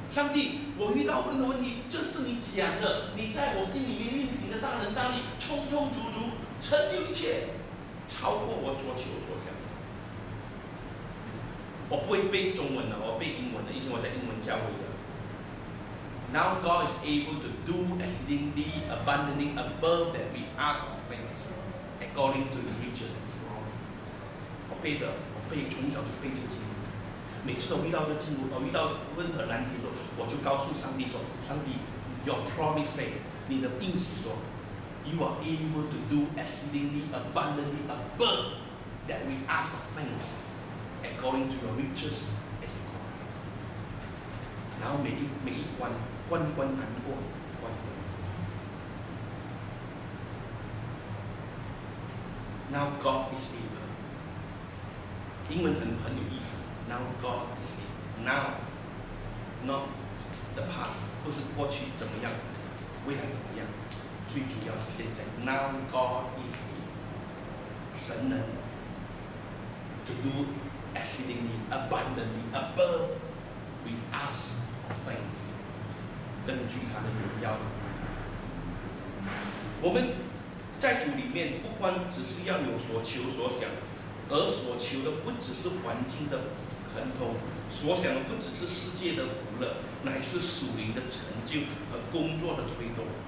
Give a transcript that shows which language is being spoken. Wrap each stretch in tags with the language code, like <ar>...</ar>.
<zh>上帝，我遇到任何问题，这是你讲的，你在我心里面运行的大能大力，充充足足成就一切，超过我所求所想。我不会背中文的，我背英文的，以前我在英文教会的。</zh> <en>Now God is able to do exceedingly abundantly above that we ask of things, according to His riches and glory.</en> <zh>我背的，我背从小就背这个经文。每次都遇到这个经文，我遇到任何难题的时候，我就告诉上帝说：“上帝 ，</zh> <en>Your promise say，</en> <zh>你的应许说 ，</zh> <en>You are able to do exceedingly abundantly above that we ask of things according to your riches and your glory。”</en> <zh>然后每一关关关难过，关关。然</zh> <en>Now God is able.</en> <zh>英文 很有意思。</zh> <en>Now God is able. Now, not the past.</en> <zh>不是过去怎么样，未来怎么样，最主要是现在。</zh> <en>Now God is able.</en> <zh>神能</zh> <en>to do exceedingly abundantly above we ask or think.</en> <zh>根据他的荣耀的福音，我们在主里面不光只是要有所求所想，而所求的不只是环境的亨通，所想的不只是世界的福乐，乃是属灵的成就和工作的推动。</zh>